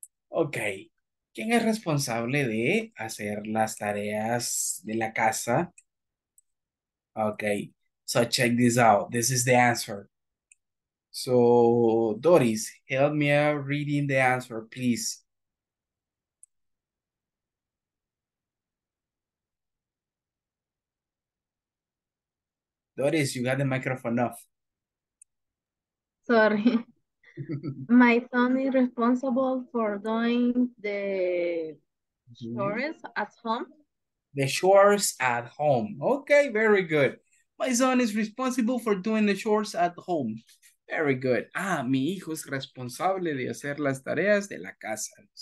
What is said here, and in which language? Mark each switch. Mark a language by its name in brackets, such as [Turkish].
[Spanish] Okay, ¿quién es responsable de hacer las tareas de la casa? [English] Okay, so check this out. This is the answer. So, Doris, help me out reading the answer, please. Doris, you got the microphone off. Sorry. My son is responsible for doing the chores at home. The chores at home. Okay, very good. My son is responsible for doing the chores at home. Very good. [Spanish] Ah, mi hijo es responsable de hacer las tareas de la casa.